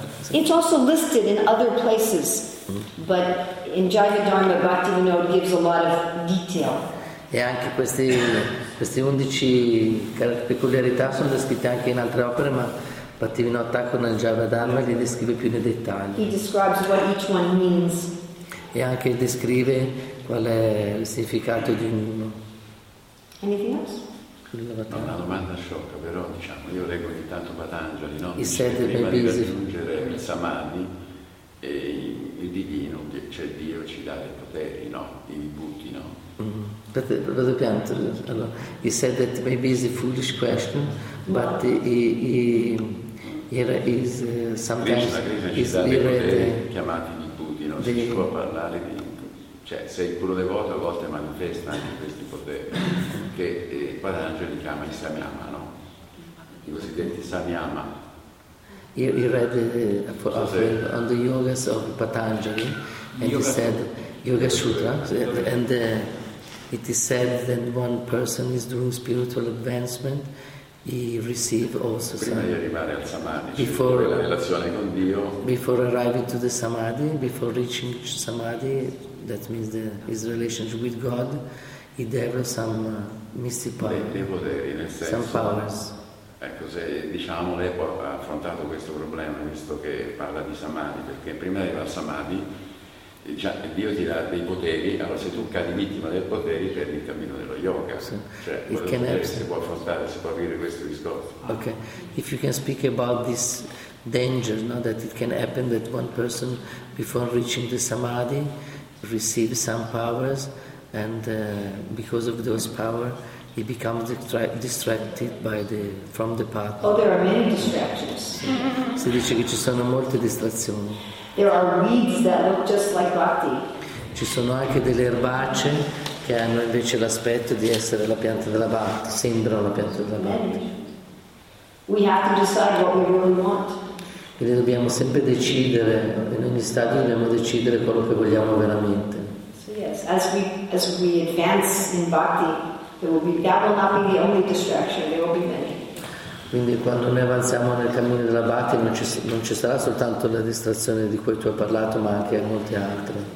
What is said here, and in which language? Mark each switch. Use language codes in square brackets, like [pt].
[en] It's also listed in other places, but in Jaiva Dharma Bhaktivinoda gives a lot of detail. [it] E anche queste 11 peculiarità sono descritte anche in altre opere, ma Bhaktivinoda Thakur nel Jaiva Dharma li descrive più nei dettagli. [en] He describes what each one means. [it] E anche descrive qual è il significato di ognuno. [en] Anything else? [it] No, una domanda sciocca, però diciamo, io leggo ogni tanto Patanjali, no? Il sette prima di raggiungere il Samadhi, e il divino, cioè Dio ci dà dei poteri, no? I vibhuti, no? Vado pianto. [en] Allora, he said that maybe it's a foolish question, but sometimes is read [it] chiamati di Buddhi, non si può parlare di, cioè se il puro devoto a volte manifesta anche questi poteri che Patanjali chiama i samyama, no? I cosiddetti samyama. [en] He read on the yogas of Patanjali and yoga, he said yoga sutra, and it is said that one person is doing spiritual advancement, he receives also [it] prima di arrivare al samadhi, cioè before, la relazione con Dio, [en] before arriving to the samadhi, before reaching samadhi, that means his relationship with God, he develops some mystic power, [it] dei poteri, nel senso, [en] some powers. [it] Ecco, se diciamo lei ha affrontato questo problema, visto che parla di samadhi, perché prima di arrivare al samadhi già Dio ti dà dei poteri, allora se tu cadi vittima del potere perdi il cammino dello yoga. Sì. Cioè, [en] it can [it] si può affrontare, si può aprire questo discorso. [en] Ok, if you can speak about this danger, no, that it can happen that one person before reaching the samadhi receive some powers, and because of those powers he becomes distracted by the from the path. Oh, there are many distractions. [it] Si dice che ci sono molte distrazioni. [en] There are weeds that look just like bhakti. [it] Ci sono anche delle erbacce che hanno invece l'aspetto di essere la pianta della bhakti, sembrano la pianta della bhakti. [en] We have to decide what we really want. [it] Quindi dobbiamo sempre decidere, in ogni stadio dobbiamo decidere quello che vogliamo veramente. [en] So yes, as we advance in bhakti, [it] quindi quando noi avanziamo nel cammino della Bhakti non ci sarà soltanto la distrazione di cui tu hai parlato, ma anche molte altre.